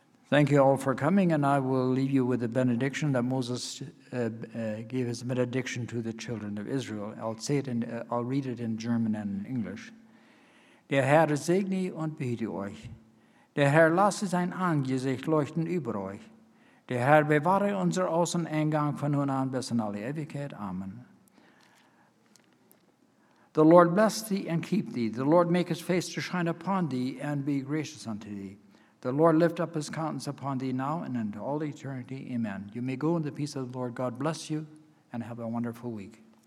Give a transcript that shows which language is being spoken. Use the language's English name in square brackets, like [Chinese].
[English] Thank you all for coming, and I will leave you with the benediction that Moses gave his benediction to the children of Israel. I'll read it in German and in English. [German] Der Herr segne und behüte euch. Der Herr lasse sein Angesicht leuchten über euch. Der Herr bewahre unseren Außeneingang von nun an bis in alle Ewigkeit. Amen. [English] The Lord bless thee and keep thee. The Lord make his face to shine upon thee and be gracious unto thee. The Lord lift up his countenance upon thee now and into all eternity. Amen. You may go in the peace of the Lord. God bless you and have a wonderful week.